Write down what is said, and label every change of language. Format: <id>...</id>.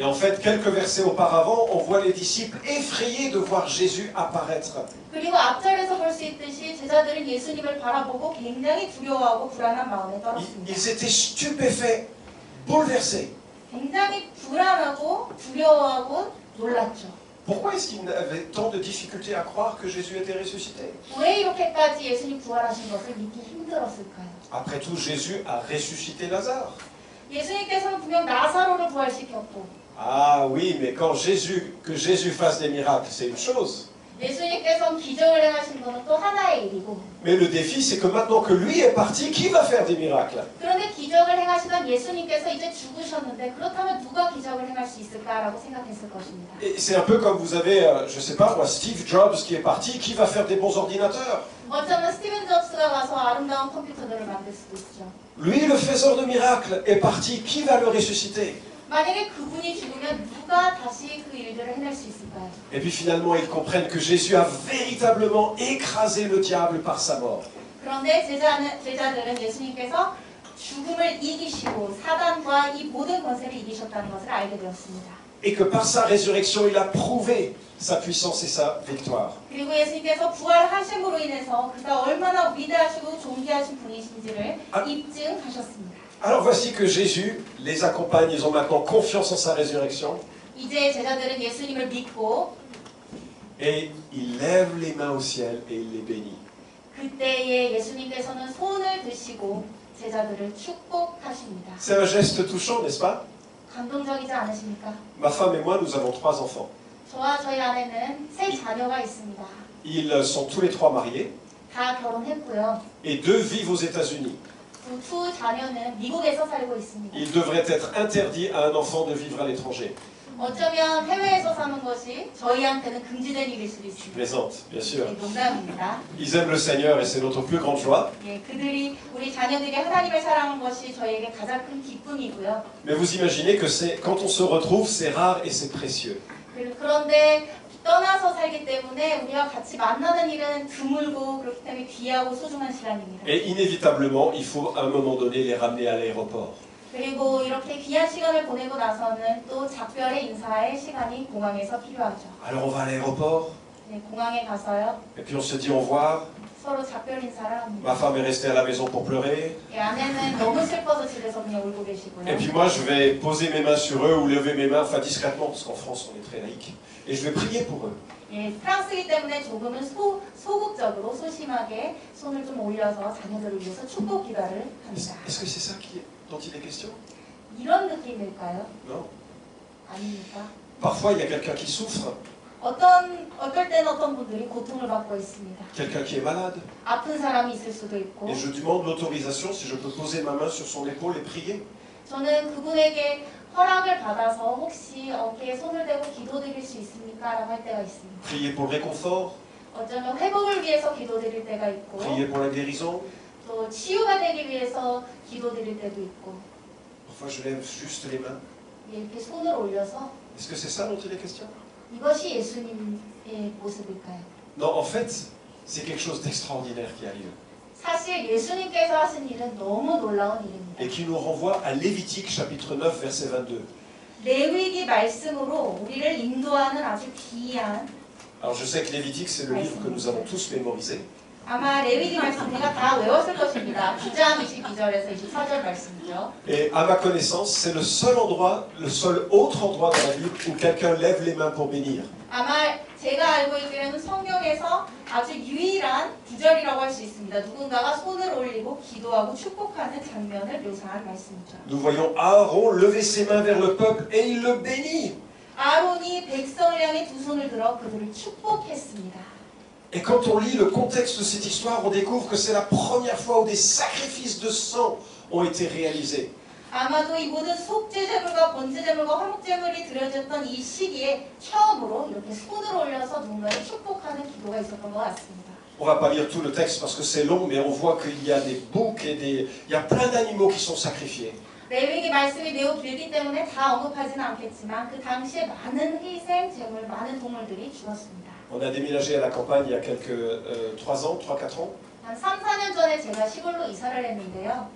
<fr>Et en fait, quelques versets auparavant, on voit les disciples effrayés de voir Jésus apparaître.</fr> <ko>그리고 앞절에서 볼 수 있듯이 제자들은 예수님을 바라보고 굉장히 두려워하고 불안한 마음에 떨었습니다.</ko> <fr>Ils étaient stupéfaits, bouleversés.</fr> <ko>굉장히 불안하고 두려워하고 놀랐죠.</ko> <fr>Pourquoi est-ce qu'ils avaient tant de difficultés à croire que Jésus était ressuscité?</fr> <ko>왜 이렇게까지 예수님 부활하신 것을 믿기 힘들었을까요?</ko> <fr>Après tout, Jésus a ressuscité Lazare.</fr> <ko>예수님께서는 분명 나사로를 부활시켰고.</ko> <fr>Ah oui, mais quand Jésus, que Jésus fasse des miracles, c'est une chose.</fr> <ko>예수님께서는 기적을 행하신 것은 또 하나의 일이고.</ko> <fr>Mais le défi, c'est que maintenant que lui est parti, qui va faire des miracles?</fr> <ko>그런데 기적을 행하시던 예수님께서 이제 죽으셨는데 그렇다면 누가 기적을 행할 수 있을까라고 생각했을 것입니다.</ko> <fr>Et c'est un peu comme vous avez, je sais pas, moi, Steve Jobs qui est parti, qui va faire des bons ordinateurs?</fr> <ko>어쩌면 스티븐 잡스가 가서 아름다운 컴퓨터들을 만들 수도 있죠.</ko> <fr>Lui, le faiseur de miracles, est parti, qui va le ressusciter?</fr> <ko>만약에 그분이 죽으면 누가 다시 그 일들을 해낼 수 있을까요?</ko> <fr>Et puis finalement, ils comprennent que Jésus a véritablement écrasé le diable par sa mort.</fr> <ko>그런데 제자들은 예수님께서 죽음을 이기시고 사단과 이 모든 권세를 이기셨다는 것을 알게 되었습니다.</ko> <fr>Et que par sa résurrection, il a prouvé sa puissance et sa victoire.</fr> <ko>그리고 예수님께서 부활하심으로 인해서 그가 얼마나 위대하시고 존귀하신 분이신지를 입증하셨습니다.</ko> <fr>Alors voici que Jésus les accompagne, ils ont maintenant confiance en sa résurrection.</fr> <ko>이제 제자들은 예수님을 믿고</ko> <fr>Et il lève les mains au ciel et il les bénit.</fr> <ko>그때에 예수님께서는 손을 드시고 제자들을 축복하십니다.</ko> <fr>C'est un geste touchant, n'est-ce pas?</fr> <ko>감동적이지 않으십니까?</ko> <fr>Ma femme et moi, nous avons trois enfants.</fr> <ko>저와 저희 아내는 세 자녀가 있습니다.</ko> <fr>Ils sont tous les trois mariés.</fr> <ko>다 결혼했고요.</ko> <fr>Et deux vivent aux États-Unis.</fr> <ko>두 자녀는 미국에서 살고 있습니다.</ko> <fr>Il devrait être interdit à un enfant de vivre à l'étranger.</fr> <ko>어쩌면 해외에서 사는 것이 저희한테는 금지된 일일 수도 있습니다.</ko> <fr>Présente, bien sûr.</fr> <ko>농담입니다.</ko> <fr>Ils aiment le Seigneur et c'est notre plus grande joie.</fr> <ko>그들이 우리 자녀들이 하나님을 사랑하는 것이 저희에게 가장 큰 기쁨이고요.</ko> <fr>Mais vous imaginez que c'est quand on se retrouve, c'est rare et c'est précieux.</fr> <ko>그런데 떠나서 살기 때문에 우리와 같이 만나는 일은 드물고 그렇기 때문에 귀하고 소중한 시간입니다.</ko> <fr>Et inévitablement, il faut à un moment donné les ramener à l'aéroport.</fr> <ko>그리고 이렇게 귀한 시간을 보내고 나서는 또 작별의 인사의 시간이 공항에서 필요하죠.</ko> <fr>Alors on va à l'aéroport.</fr> <ko>네, 공항에 가서요.</ko> <fr>Et puis on se dit au revoir.</fr> <ko>서로 작별 인사를 합니다.</ko> <fr>Ma femme est restée à la maison pour pleurer.</fr> <ko>예, 아내는 너무 슬퍼서 집에서 그냥 울고 계시고요.</ko> <fr>Et puis moi je vais poser mes mains sur eux ou lever mes mains, enfin discrètement, parce qu'en France on est très laïque. Et je vais prier pour eux.</fr> <ko>예, 프랑스이기 때문에 조금은 소극적으로 소심하게 손을 좀 올려서 자녀들을 위해서 축복 기도를 합니다.</ko> <fr>Est-ce que c'est ça qui dont il est question?</fr> <ko>이런 느낌일까요?</ko> <fr>Non.</fr> <ko>아닙니까?</ko> <fr>Parfois il y a quelqu'un qui souffre.</fr> <ko>어떨 때는 어떤 분들이 고통을 받고 있습니다.</ko> <fr>Quelqu'un qui est malade.</fr> <ko>아픈 사람이 있을 수도 있고.</ko> <fr>Et je demande l'autorisation si je peux poser ma main sur son épaule et prier.</fr> <ko>저는 그분에게 허락을 받아서 혹시 어깨에 손을 대고 기도드릴 수 있습니까라고 할 때가 있습니다.</ko> <fr>Prier pour le réconfort.</fr> <ko>어쩌면 회복을 위해서 기도드릴 때가 있고.</ko> <fr>Prier pour la guérison.</fr> <ko>또 치유가 되기 위해서 기도드릴 때도 있고.</ko> <fr>Parfois je lève juste les mains.</fr> <ko>이렇게 손을 올려서.</ko> <fr>Est-ce que c'est ça dont il est question?</fr> <ko>이것이 예수님의 모습일까요?</ko> <fr>Non, en fait, c'est quelque chose d'extraordinaire qui a lieu.</fr> <ko>사실 예수님께서 하신 일은 너무 놀라운 일입니다.</ko> <fr>Et qui nous renvoie à Lévitique chapitre 9 verset 22.</fr> <ko>레위기 말씀으로 우리를 인도하는 아주 귀한.</ko> <fr>Alors je sais que Lévitique c'est le livre que nous avons tous mémorisé.</fr> <ko>아마 레위기 말씀 우리가 다 외웠을 것입니다. 9장 22절에서 24절 말씀이죠.</ko> <fr>Et à ma connaissance, c'est le seul endroit, le seul autre endroit dans la Bible où quelqu'un lève les mains pour bénir.</fr> <ko>아마 제가 알고 있기로는 성경에서 아주 유일한 구절이라고 할 수 있습니다. 누군가가 손을 올리고 기도하고 축복하는 장면을 묘사한 말씀이죠.</ko> <fr>Nous voyons Aaron lever ses mains vers le peuple et il le bénit.</fr> <ko>아론이 백성을 향해 두 손을 들어 그들을 축복했습니다.</ko> <fr>Et quand on lit le contexte de cette histoire, on découvre que c'est la première fois où des sacrifices de sang ont été réalisés.</fr> <ko>아마도 이 모든 속죄제물과 번제제물과 화목제물이 드려졌던 이 시기에 처음으로 이렇게 손을 올려서 누군가를 축복하는 기도가 있었던 것 같습니다.</ko> <fr>On va pas lire tout le texte parce que c'est long, mais on voit qu'il y a des boucs et des il y a plein d'animaux qui sont sacrifiés.</fr> <ko>레위기 말씀이 매우 길기 때문에 다 언급하지는 않겠지만 그 당시에 많은 희생 제물, 많은 동물들이 죽었습니다.</ko> <fr>On a déménagé à la campagne il y a quelques 3-4 ans.</fr> <ko>3, 4년 전에 제가 시골로 이사를 했는데요.</ko>